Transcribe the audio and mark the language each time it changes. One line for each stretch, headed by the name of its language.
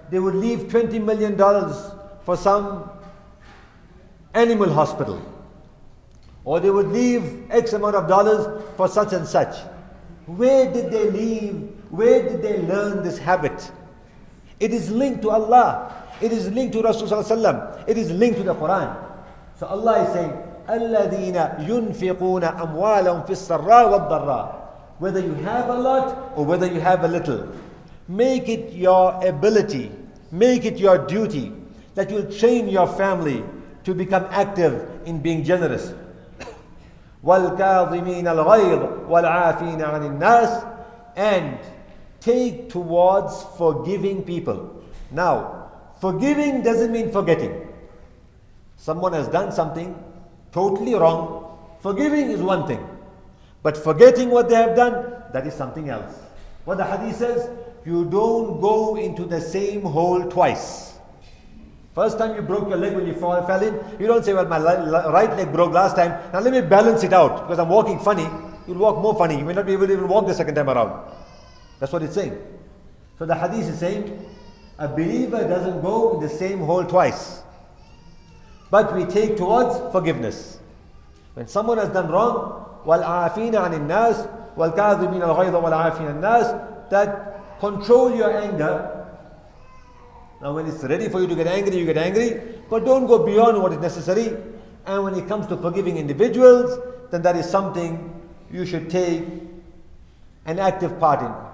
English: they would leave $20 million for some animal hospital, or they would leave X amount of dollars for such and such. Where did they leave? Where did they learn this habit? It is linked to Allah. It is linked to Rasulullah. It is linked to the Quran. So Allah is saying,
Arabic: الَّذِينَ يُنْفِقُونَ أَمْوَالَهُمْ فِي السَّرَّى وَالضَّرَّى.
English: Whether you have a lot or whether you have a little, make it your ability, make it your duty, that you'll train your family to become active in being generous.
Arabic: وَالْكَاظِمِينَ الْغَيْضِ وَالْعَافِينَ عَنِ النَّاسِ.
English: And take towards forgiving people. Now, forgiving doesn't mean forgetting. Someone has done something totally wrong. Forgiving is one thing. But forgetting what they have done, that is something else. What the hadith says, you don't go into the same hole twice. First time you broke your leg when you fell in, you don't say, well, my right leg broke last time. Now let me balance it out because I'm walking funny. You'll walk more funny. You may not be able to even walk the second time around. That's what it's saying. So the hadith is saying, a believer doesn't go in the same hole twice. But we take towards forgiveness. When someone has done wrong,
Arabic: وَالْعَافِينَ عَنِ النَّاسِ وَالْكَاظِمِينَ الْغَيْضَ وَالْعَافِينَ النَّاسِ.
English: That control your anger. Now when it's ready for you to get angry, you get angry. But don't go beyond what is necessary. And when it comes to forgiving individuals, then that is something you should take an active part in.